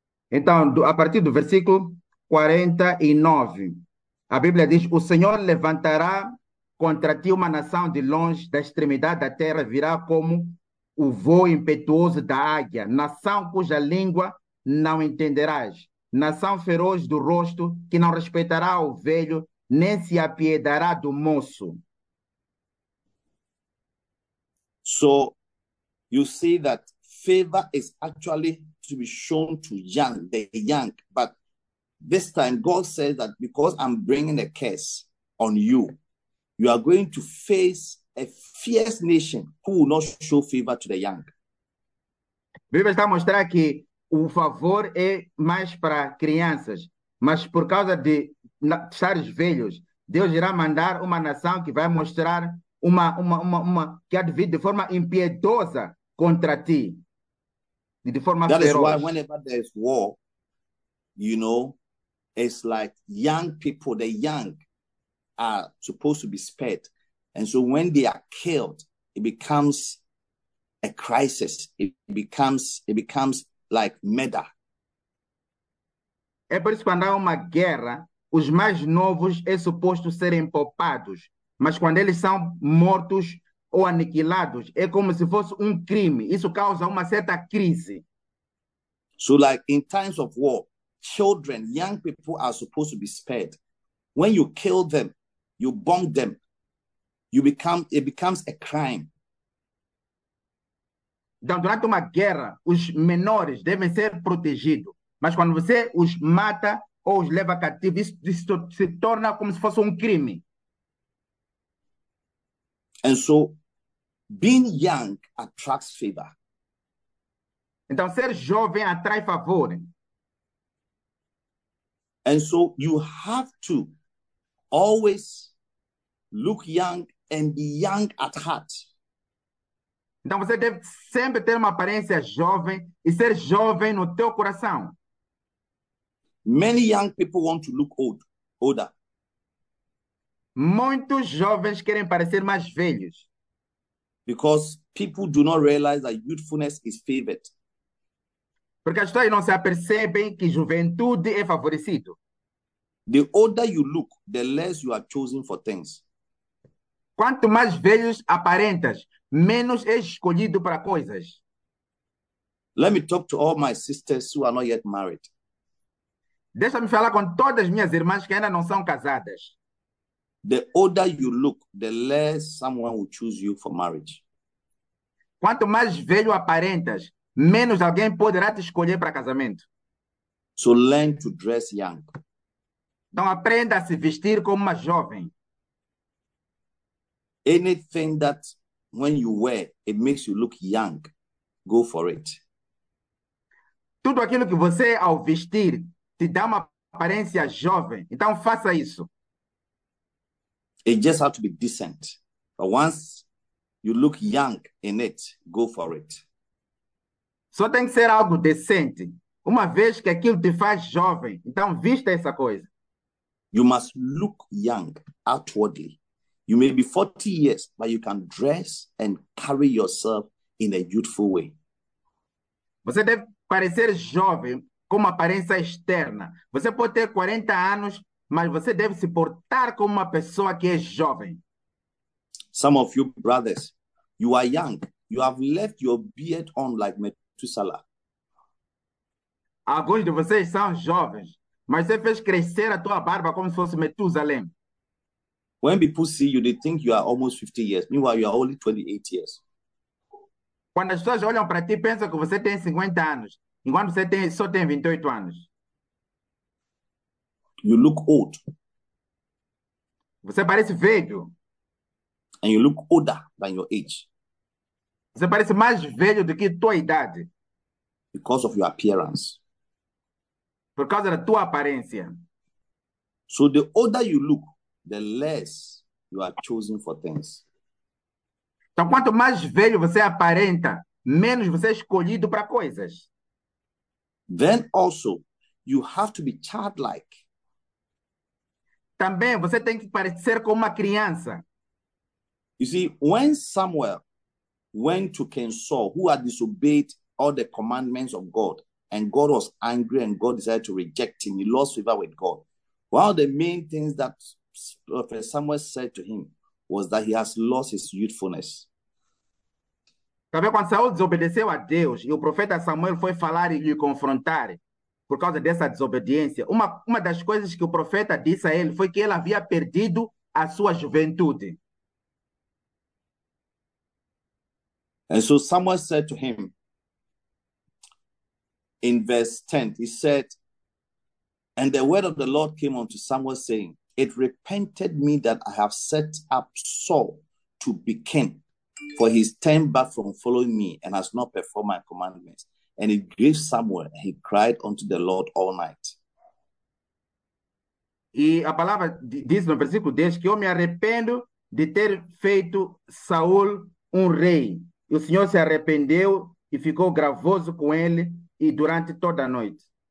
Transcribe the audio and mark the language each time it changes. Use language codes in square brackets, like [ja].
[pt] Então, a partir do versículo 49, a Bíblia diz: O Senhor levantará contra ti uma nação de longe, da extremidade da terra, virá como o voo impetuoso da águia, nação cuja língua não entenderás. Nação feroz do rosto, que não respeitará o velho, nem se apiedará do moço. [en] So you see that favor is actually to be shown to the young, but this time God says that because I'm bringing a curse on you, you are going to face a fierce nation who will not show favor to the young. [pt] Bíblia está a mostrar que o favor é mais para crianças, mas por causa de estar velhos, Deus irá mandar uma nação que vai mostrar uma que há de vir de forma impiedosa contra ti, e de forma [en] That is why, [pt] feroz. [en] whenever there's war, it's like young people, the young are supposed to be spared. And so when they are killed, it becomes a crisis. It becomes like murder. [pt] É por isso que quando há uma guerra, os mais novos é suposto serem poupados, mas quando eles são mortos ou aniquilados, é como se fosse um crime. Isso causa uma certa crise. [en] So, like in times of war, children, young people are supposed to be spared. When you kill them, you bomb them, it becomes a crime. [pt] Então, durante uma guerra, os menores devem ser protegidos. Mas quando você os mata ou os leva cativo, isso se torna como se fosse um crime. [en] And so, being young attracts favor. [pt] Então, ser jovem atrai favor. [en] And so you have to always look young and be young at heart. [pt] Então, você deve sempre ter uma aparência jovem e ser jovem no teu coração. [en] Many young people want to look older. [pt] Muitos jovens querem parecer mais velhos. [en] Because people do not realize that youthfulness is favored. [pt] Porque as pessoas não se apercebem que juventude é favorecido. [en] The older you look, the less you are chosen for things. [pt] Quanto mais velhos aparentas, menos és escolhido para coisas. [en] Let me talk to all my sisters who are not yet married. [pt] Deixa-me falar com todas as minhas irmãs que ainda não são casadas. [en] The older you look, the less someone will choose you for marriage. [pt] Quanto mais velho aparentas, menos alguém poderá te escolher para casamento. [en] So learn to dress young. [pt] Então aprenda a se vestir como uma jovem. [en] Anything that when you wear, it makes you look young, go for it. [pt] Tudo aquilo que você ao vestir te dá uma aparência jovem. Então faça isso. [en] It just has to be decent. But once you look young in it, go for it. [pt] Só tem que ser algo decente. Uma vez que aquilo te faz jovem, então vista essa coisa. [en] You must look young outwardly. You may be 40 years, but you can dress and carry yourself in a youthful way. [pt] Você deve parecer jovem com uma aparência externa. Você pode ter 40 anos, mas você deve se portar como uma pessoa que é jovem. [en] Some of you brothers, you are young. You have left your beard on like Methuselah. [pt] Alguns de vocês são jovens, mas você fez crescer a tua barba como se fosse Metusalém. [en] When people see you, they think you are almost 50 years. Meanwhile, you are only 28 years. [pt] Quando as pessoas olham para ti, pensam que você tem 50 anos, enquanto você só tem 28 anos. [en] You look old. [pt] Você parece velho. [en] And you look older than your age. [pt] Você parece mais velho do que tua idade. [en] Because of your appearance. [pt] Por causa da tua aparência. [en] So the older you look, the less you are chosen for things. [pt] Então, quanto mais velho você aparenta, menos você é escolhido para coisas. [en] Then also, you have to be childlike. [pt] Também você tem que parecer como uma criança. [en] You see, when Samuel went to King Saul, who had disobeyed all the commandments of God, and God was angry and God decided to reject him, he lost favor with God. One of the main things that Prophet Samuel said to him was that he has lost his youthfulness. [pt] Sabe quando Saul desobedeceu a Deus e o profeta Samuel foi falar e lhe confrontar por causa dessa desobediência, uma das coisas que o profeta disse a ele foi que ele havia perdido a sua juventude. [en] And so Samuel said to him in verse 10, he said, and the word of the Lord came unto Samuel saying, it repented me that I have set up Saul to be king, for he's turned back from following me and has not performed my commandments. And it grieved Samuel, and he cried unto the Lord all night. [pt] E a palavra diz no versículo 10 que eu me arrependo de ter feito Saul rei. E o Senhor se arrependeu e ficou gravoso com ele e durante toda a noite.